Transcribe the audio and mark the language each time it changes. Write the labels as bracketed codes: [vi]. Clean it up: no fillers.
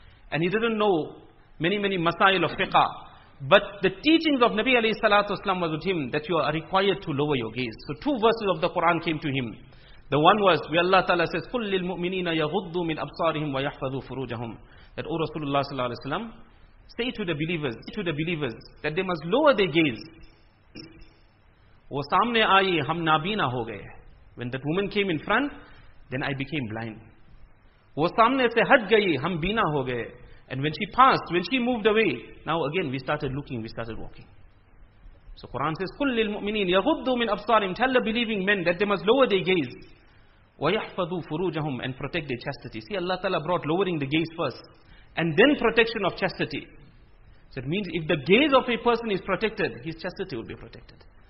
[en] And he didn't know many, many masail of fiqh. But the teachings of Nabi alayhi salatu wasalam was with him that you are required to lower your gaze. So two verses of the Quran came to him. The one was where Allah Ta'ala says, [ar] قُلْ لِلْمُؤْمِنِينَ يَغُضُّ مِنْ أَبْصَارِهِمْ وَيَحْفَظُوا فُرُوجَهُمْ. [en] That O Rasulullah sallallahu alayhi wasalam, say to the believers that they must lower their gaze. [ur] وہ سامنے آئی ہم نابینا ہو گئے. [en] When that woman came in front, then I became blind. [ur] وہ سامنے سے ہٹ گئی ہم بینا ہو گئے. [en] And when she passed, when she moved away, now again we started looking, we started walking. So Quran says, [ar] قُلْ لِلْمُؤْمِنِينَ يَغُضُّوا مِنْ أَبْصَارِهِمْ. [en] Tell the believing men that they must lower their gaze. [ar] وَيَحْفَظُوا فُرُوجَهُمْ. [en] And protect their chastity. See, Allah Ta'ala brought lowering the gaze first. And then protection of chastity. So it means if the gaze of a person is protected, his chastity will be protected.